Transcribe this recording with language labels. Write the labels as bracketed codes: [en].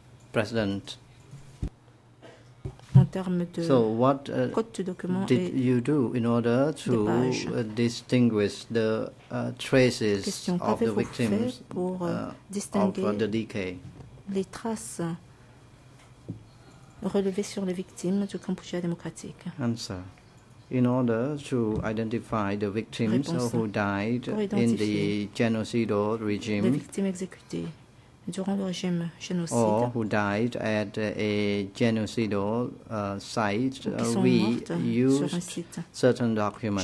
[en] President. So what did you do in order to distinguish the traces of the victims of the decay? [fr] Les traces relevées sur les victimes du Cambodge démocratique. [en] Answer. In order to identify the victims who died in the genocidal regime. [fr] Les victimes exécutées. Durant le régime génocide, [en] or who died at a genocidal site, we used certain documents.